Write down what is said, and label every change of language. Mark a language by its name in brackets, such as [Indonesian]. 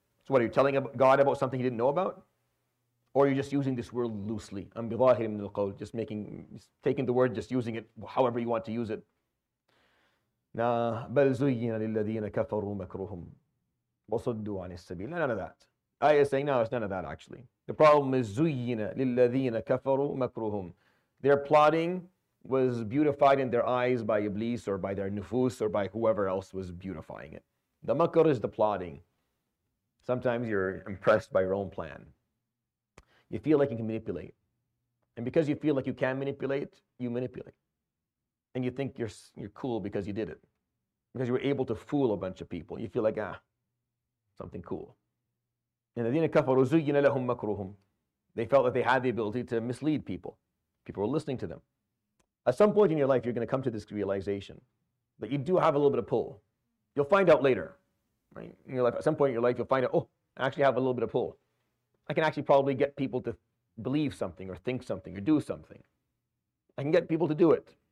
[English] So what, are you telling God about something he didn't know about? Or you're just using this word loosely, [Arabic] أَمْ بِظَاهِرٍ مِنَ الْقَوْلِ, [English] just making, just taking the word, just using it however you want to use it. [Arabic] نَا بَلْ زُيِّنَ لِلَّذِينَ كَفَرُوا مَكْرُهُمْ وَصُدُّوا عَنِ السَّبِيلِ. [English] None of that. Ayah is saying, no, it's none of that actually. The problem is [Arabic] زُيِّنَ لِلَّذِينَ كَفَرُوا مَكْرُهُمْ. [English] Their plotting was beautified in their eyes by Iblis or by their nufus or by whoever else was beautifying it. The makr is the plotting. Sometimes you're impressed by your own plan. You feel like you can manipulate. And because you feel like you can manipulate, you manipulate. And you think you're cool because you did it. Because you were able to fool a bunch of people. You feel like, ah, something cool. And [Arabic] الَّذِينَ كَفَرُوا زُيِّنَ لَهُمْ مَكْرُهُمْ. [English] They felt that they had the ability to mislead people. People were listening to them. At some point in your life, you're going to come to this realization that you do have a little bit of pull. You'll find out later, right? In your life, at some point in your life, you'll find out, oh, I actually have a little bit of pull. I can actually probably get people to believe something or think something or do something. I can get people to do it.